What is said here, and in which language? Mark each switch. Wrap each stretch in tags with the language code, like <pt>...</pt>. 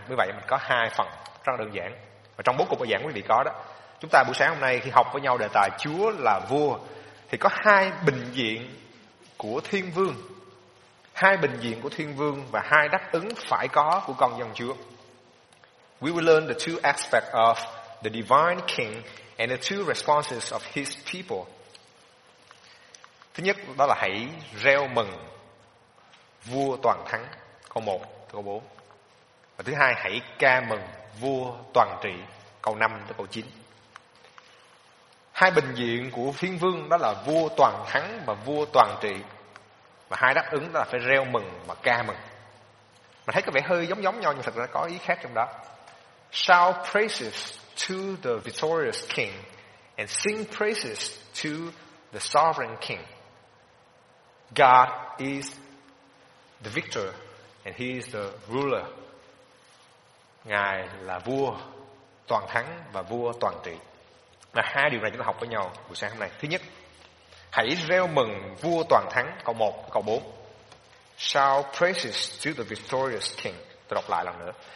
<vi>Bởi vậy mình có hai phần rất đơn giản. Và trong bốn cuộc bài giảng quý vị có đó, chúng ta buổi sáng hôm nay khi học với nhau đề tài Chúa là vua, thì có hai bình diện của Thiên Vương, hai bình diện của Thiên Vương và hai đáp ứng phải có của con dân Chúa.</vi> <en>We will learn the two aspects of the divine king and the two responses of his people.</en> <vi>Thứ nhất đó là hãy reo mừng vua toàn thắng, câu 1 tới câu 4. Và thứ hai hãy ca mừng vua toàn trị, câu 5 tới câu 9. Hai bình diện của Thiên Vương đó là vua toàn thắng và vua toàn trị. Và hai đáp ứng đó là phải reo mừng và ca mừng. Mình thấy có vẻ hơi giống giống nhau, nhưng thật ra có ý khác trong đó.</vi> <en>Shout praises to the victorious king and sing praises to the sovereign king. God is the victor and he is the ruler.</en> <vi>Ngài là vua toàn thắng và vua toàn trị. Và hai điều này chúng ta học với nhau buổi sáng hôm nay. Thứ nhất, hãy reo mừng vua toàn thắng, câu 1, câu 4.</vi> <en>Shout praises to the victorious king.</en> <vi>Tôi đọc lại lần nữa.</vi>